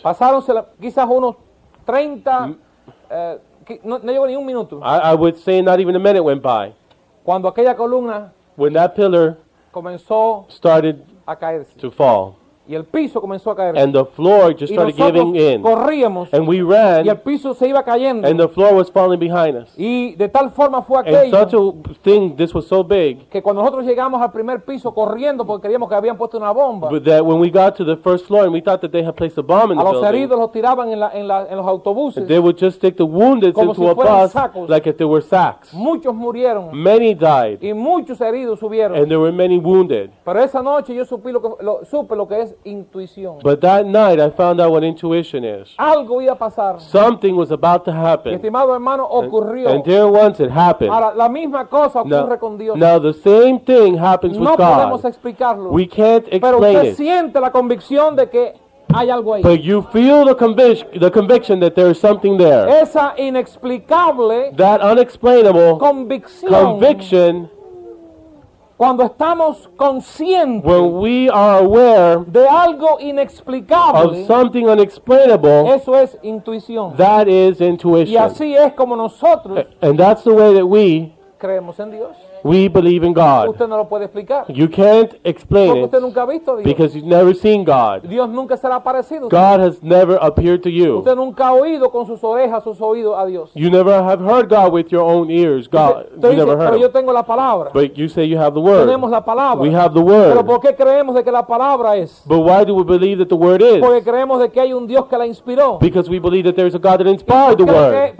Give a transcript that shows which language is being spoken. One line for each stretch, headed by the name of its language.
Spanish: pasaron quizás unos 30, no llegó ni un minuto.
English: I would say not even a minute went by.
Spanish: Cuando aquella columna,
English: when that pillar
Spanish: comenzó,
English: started
Spanish: a caerse,
English: to fall.
Spanish: Y el piso comenzó a caerse.
English: And the floor just started giving in.
Spanish: Corríamos,
English: and we ran.
Spanish: Y el piso se iba cayendo.
English: And the floor was falling behind us.
Spanish: Y de tal forma fue aquello.
English: And such a thing, this was so big.
Spanish: Que cuando nosotros llegamos al primer piso corriendo porque creíamos que habían puesto una bomba.
English: But that when we got to the first floor and we thought that they had placed a bomb in the building.
Spanish: A los heridos los tiraban en los autobuses.
English: They would just stick the wounded
Spanish: como
English: into
Spanish: si
English: a bus
Spanish: sacos.
English: Like if they were sacks.
Spanish: Muchos murieron.
English: Many died.
Spanish: Y muchos heridos subieron.
English: And there were many wounded.
Spanish: Pero esa noche yo supe lo que es intuición.
English: But that night I found out what intuition is.
Spanish: Algo iba a pasar.
English: Something was about to happen.
Spanish: Estimado hermano, ocurrió.
English: And there once it happened.
Spanish: Ahora, la misma cosa ocurre con Dios.
English: Now the same thing happens
Spanish: no
English: with God.
Spanish: No podemos explicarlo.
English: We can't explain
Spanish: pero usted
English: it.
Spanish: Pero siente la convicción de que hay algo ahí.
English: But you feel the conviction that there is something there.
Spanish: Esa inexplicable,
English: that unexplainable conviction.
Spanish: Cuando estamos conscientes,
English: when we are aware
Spanish: de algo inexplicable,
English: of something unexplainable,
Spanish: eso es intuición.
English: That is intuition.
Spanish: Y así es como nosotros,
English: and that's the way that we
Spanish: creemos en Dios.
English: We believe in God.
Spanish: Usted no lo puede explicar.
English: You can't explain
Spanish: porque usted nunca ha visto a Dios.
English: Because you've never seen God.
Spanish: Dios nunca se le ha aparecido.
English: God has never appeared to you.
Spanish: Usted nunca ha oído con sus orejas, sus oídos a Dios.
English: You never have heard God with your own ears. God,
Spanish: usted
English: you
Spanish: dice,
English: never heard
Spanish: pero yo tengo la palabra.
English: But you say you have the word.
Spanish: Tenemos la palabra.
English: We have the word.
Spanish: Pero ¿por qué creemos de que la palabra es?
English: But why do we believe that the word is?
Spanish: Porque creemos de que hay un Dios que la inspiró.
English: Because we believe that there is a God that inspired the word.